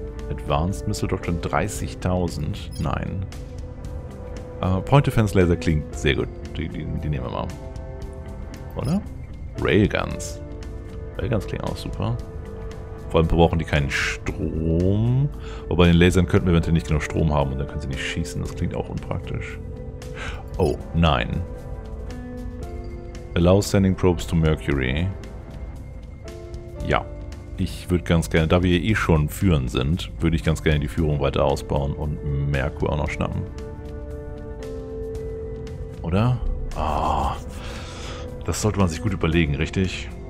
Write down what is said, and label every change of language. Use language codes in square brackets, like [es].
[de] Advanced Missile Doctrine 30.000? Nein. Point Defense Laser klingt sehr gut. Die nehmen wir mal. Oder? Railguns. Railguns klingt auch super. Vor allem brauchen die keinen Strom. Wobei, den Lasern könnten wir eventuell nicht genug Strom haben und dann können sie nicht schießen. Das klingt auch unpraktisch. Oh, nein. [en] Allow sending probes to Mercury. [de] Ja. Ich würde ganz gerne, da wir eh schon führend sind, würde ich ganz gerne die Führung weiter ausbauen und Merkur auch noch schnappen. Oder? Ah. Oh, das sollte man sich gut überlegen, richtig?